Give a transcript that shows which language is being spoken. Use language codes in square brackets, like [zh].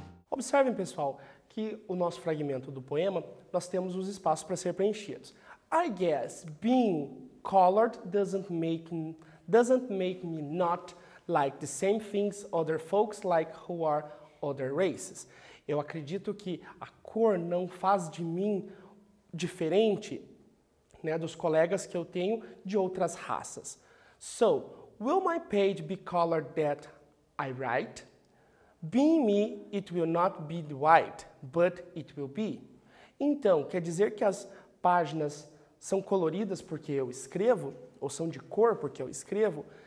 [pt] Observem, pessoal, que o nosso fragmento do poema, nós temos os espaços para ser preenchidos. [en] I guess being colored doesn't make me not like the same things other folks like who are other races. [pt] Eu acredito que a cor não faz de mim diferente, né, dos colegas que eu tenho de outras raças. [en] So, will my page be colored that I write? Being me, it will not be the white, but it will be. [pt] Então, quer dizer que as páginas são coloridas porque eu escrevo, ou são de cor porque eu escrevo?